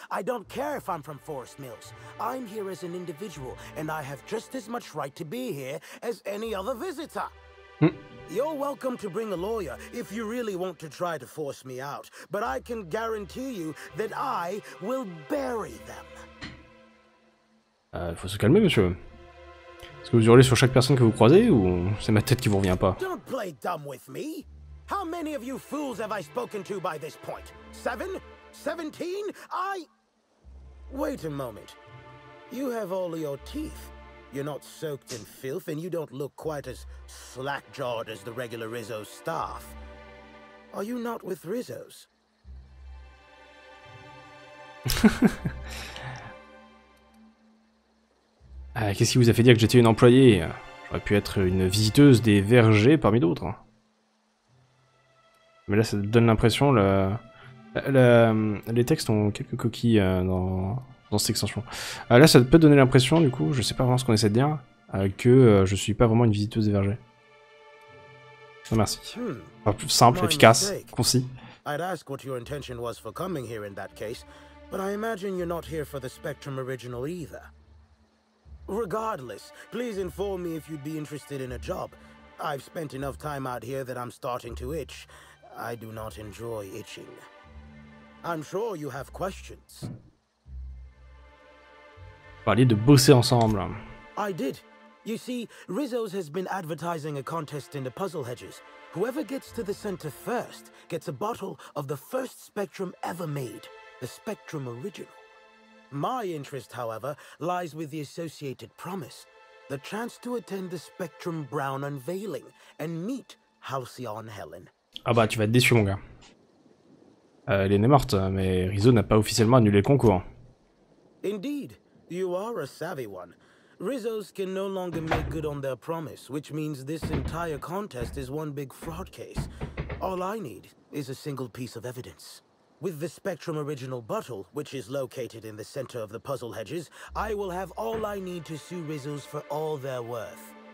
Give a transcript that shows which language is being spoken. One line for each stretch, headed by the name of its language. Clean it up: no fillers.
English: I don't care if I'm from Forest Mills. I'm here as an individual, and I have just as much right to be here as any other visitor. Mm. You're welcome to bring a lawyer if you really want to try to force me out, but I can guarantee you that I will bury them.
French: Il faut se calmer, monsieur. Est-ce que vous hurlez sur chaque personne que vous croisez ou c'est ma tête qui vous revient pas?
English: Don't play dumb with me. How many of you fools have I spoken to by this point? 7? 17? I... Wait a moment. You have all your teeth. You're not soaked in filth and you don't look quite as slack-jawed as the regular Rizzo's staff. Are you not with Rizzo's?
French: Qu'est-ce qui vous a fait dire que j'étais une employée? J'aurais pu être une visiteuse des vergers parmi d'autres. Mais là, ça donne l'impression... Les textes ont quelques coquilles dans cette extension. Là, ça peut donner l'impression, du coup, je sais pas vraiment ce qu'on essaie de dire, que je suis pas vraiment une visiteuse des vergers. Non, merci. Enfin, plus simple, efficace, concis.
English: I'd ask what your intention was for coming here in that case, but I imagine you're not here for the Spectrum original either. Regardless, please inform me if you'd be interested in a job. I've spent enough time out here that I'm starting to itch. I do not enjoy itching. I'm sure you have questions.
French: Parler de bosser ensemble.
English: I did. You see, Rizzo's has been advertising a contest in the Puzzle Hedges. Whoever gets to the center first gets a bottle of the first Spectrum ever made, the Spectrum Original. My interest, however, lies with the associated promise, the chance to attend the Spectrum Brown unveiling and meet Halcyon Helen.
French: Ah bah, tu vas être déçu, mon gars. Elle est née morte, mais Rizzo n'a pas officiellement annulé le concours.
English: Indeed, you are a savvy one. Rizzo's can no longer make good on their promise, which means this entire contest is one big fraud case. All I need is a single piece of evidence. With the Spectrum original bottle, which is located in the center of the Puzzle Hedges, I will have all I need to sue Rizzo's for all they're worth.